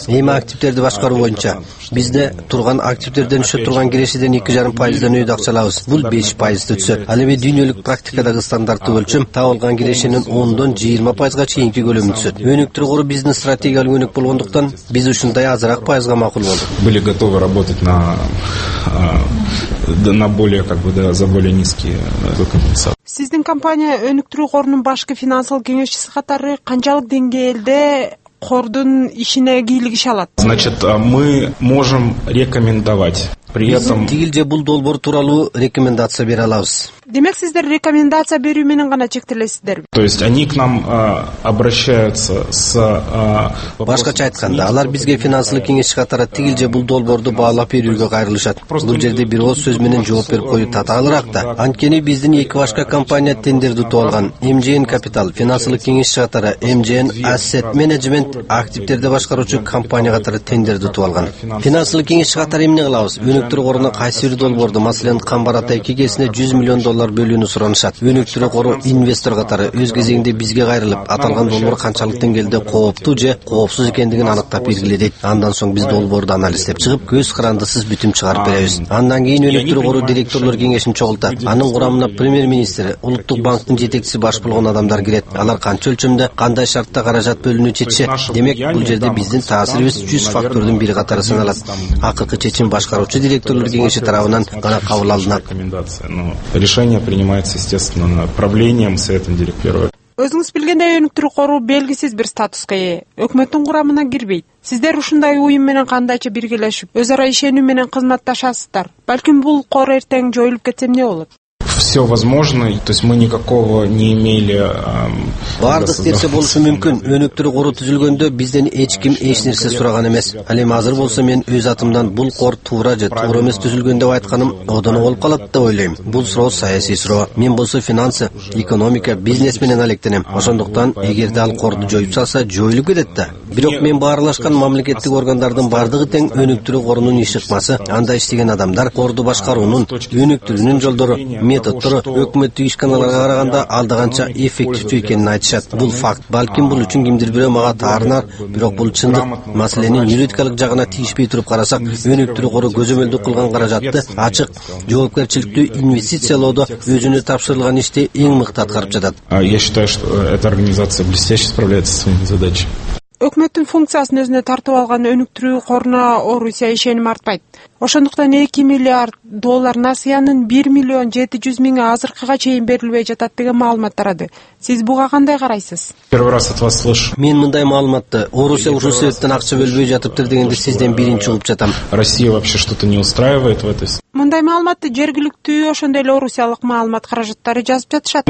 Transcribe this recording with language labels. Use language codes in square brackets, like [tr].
[ky] Эми активдерди башкаруу боюнча бизде турган активдерден түшө турган кирешиден 2.5% үйдү акча алабыз. Бул 5% түзөт. Ал эми дүйнөлүк практикадагы стандарттык өлчөм табылган кирешинин 10-20% чейинки көлөмүн түзөт. Өнүктүрүү кору биздин стратегиялык өнүк болгондуктан биз ушундай азыраак пайызга макул болдук. [ru] Были готовы работать на более как бы да за более низкие компенсации. [ky] Сиздин компания өнүктүрүү корунун башкы финансылык кеңешчиси катары канчалык деңгээлде кордун ишине кийлигише алат? [ru] Значит, мы можем рекомендовать. [ky] Биздин тигилже бул долбоор тууралуу рекомендация бере алабыз. Демек сиздер рекомендация берүү менен гана чектелесиздерби? [ru] То есть они к нам обращаются с [ky] Башкача айтканда, алар бизге финансылык кеңешчи катары тигилже бул долбоорду баалап берүүгө кайрылышат. Бул жерде бир ооз сөз менен жооп берип коюу татаалыраак да. Анткени биздин эки башка компания тендерди утуп алган. MGN Capital финансылык кеңешчи катары, MGN Asset Management активдерди башкаруучу компания катары тендерди утуп алган. Финансылык кеңешчи катары эмне кылабыз? Өнүктүрүү коруна кайсы бир долбоорду, маселен, Камбар Атай кегесине 100 миллион доллар бөлүүнү суранышат. Өнүктүрүү кору инвестор катары өз кезегинде бизге кайрылып, аталган долбоор канчалык деңгээлде кооптуу же коопсуз экендигин аныктап бергиле дейт. Андан соң биз долбоорду анализдеп чыгып, көз карандысыз бүтүм чыгарып беребиз. Андан кийин өнүктүрүү кору директорлор кеңешин чогултат. Анын курамына премьер-министр, улуттук банктын жетекчиси баш болгон адамдар кирет. Алар канча өлчөмдө, кандай шартта каражат бөлүнүү чечишет. Демек, бул жерде биздин таасирибиз 100 фактордун бири катары саналат. Акыркы чечим башкаруу директорлор кеңеши тарабынан гана кабыл алынат. [ru] Решение принимается, естественно, правлением советом директоров. [ky] Өзүңүз билгендей өнүктүрүү кору белгисиз бир статуска ээ. Өкмөттүн курамына кирбейт. Сиздер ушундай уюм менен кандайча биргелешип, өз ара ишенүү менен кызматташасыздар. Балким бул кор эртең жоюлуп кетсе эмне болот? [ru] Все возможно, то есть мы никакого не имели. [ky] Бардык нерсе болушу мүмкүн. Өнүктүрүү кору түзүлгөндө бизден эч ким эч нерсе сураган эмес. Ал эми азыр болсо мен өз атымдан бул кор туура же туура эмес түзүлгөн деп айтканым одоно болуп калат деп ойлойм. Бул суроо саясий суроо. Мен болсо финансы, экономика, бизнес менен алектенем. Ошондуктан эгерде ал корду жоюп салса, жоюлуп кетет да. Бирок мен баарлашкан мамлекеттик органдардын бардыгы тең өнүктүрүү корунун ишыкмасы, анда иштеген адамдар корду башкаруунун, өнүктүрүүнүн жолдору, методдору өкмөттүк ишканаларга караганда алда канча эффективдүү экенин айтышат. Бул факт. Балким бул үчүн кимдир бирөө мага таарынар, бирок бул чындык. Маселенин юридикалык жагына тийишпей туруп карасак, өнүктүрүү кору көзөмөлдүк кылган каражатты ачык, жоопкерчиликтүү инвестициялоодо өзүнө тапшырылган ишти эң мыкты аткарып жатат. [ru] Я считаю, что эта организация блестяще справляется со своими задачами. [ky] Өкмөттүн функциясын өзүнө тартып алган өнүктүрүү коруна орусия ишеним артпайт. Ошондуктан 2 миллиард доллар насыянын 1 миллион 700 миңи азыркыга чейин берилбей жатат деген маалымат тарады. Сиз буга кандай карайсыз? [ru] Первый раз от вас слышу. [ky] Мен мындай маалыматты Орусия ушул себептен акча бөлбөй жатыптыр дегенди сизден биринчи угуп жатам. [ru] Россия вообще что-то не устраивает в этой. [ky] Мындай маалыматты жергиликтүү ошондой эле орусиялык маалымат каражаттары жазып жатышат.